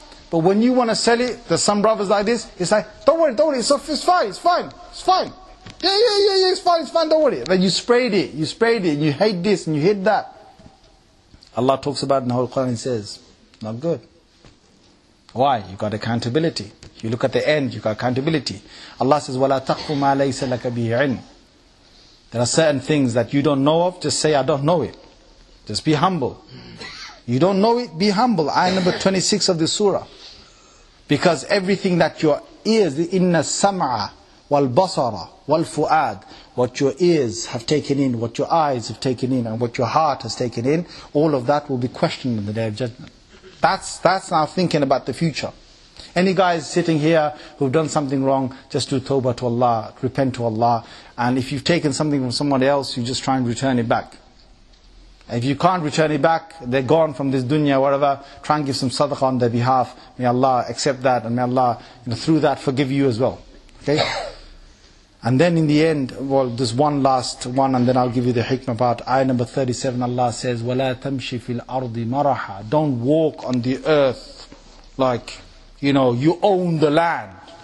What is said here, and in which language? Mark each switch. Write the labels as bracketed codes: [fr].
[en] But when you want to sell it, there's some brothers like this, it's like, don't worry. It's fine. Yeah, it's fine. Don't worry. Then you sprayed it, and you hate this, and you hate that. Allah talks about it in the whole Quran and says, not good. Why? You got accountability. You look at the end, you got accountability. Allah says, [ar] وَلَا تَقْفُ مَا لَيْسَ لَكَ بِهِ عِلْمٍ. [en] There are certain things that you don't know of, just say, I don't know it. Just be humble. You don't know it, be humble. Ayah number 26 of the surah. Because everything that your ears, [ar] إِنَّ السَّمْعَ وَالْبَصَرَ وَالْفُؤَادِ, [en] what your ears have taken in, what your eyes have taken in, and what your heart has taken in, all of that will be questioned on the Day of Judgment. That's now thinking about the future. Any guys sitting here who've done something wrong, just do tawbah to Allah, repent to Allah. And if you've taken something from somebody else, you just try and return it back. If you can't return it back, they're gone from this dunya, whatever, try and give some sadaqah on their behalf. May Allah accept that, and may Allah, you know, through that forgive you as well. Okay? And then in the end, well, there's one last one, and then I'll give you the hikmah part. Ayah number 37, Allah says, [ar] وَلَا تَمْشِ فِي الْأَرْضِ مَرَحًا. [en] Don't walk on the earth like, you know, you own the land.